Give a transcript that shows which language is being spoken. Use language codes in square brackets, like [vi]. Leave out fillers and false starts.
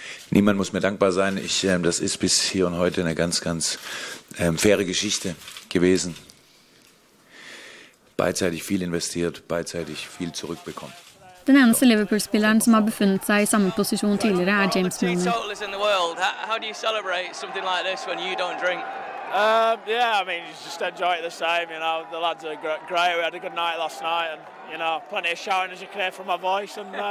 [de] Niemand muss mir dankbar sein. Das ist bis hier und heute eine ganz, ganz faire Geschichte gewesen. Beidseitig viel investiert, beidseitig viel zurückbekommen. [no] Den eneste Liverpool-spilleren som har befunnet seg I samme posisjon tidligere James Milner. [en] How do you celebrate something like this when you don't drink? I mean, you just enjoy it the same, you know. The lads are great. We had a good night last night and, you know, plenty of shouting as you can hear from my voice and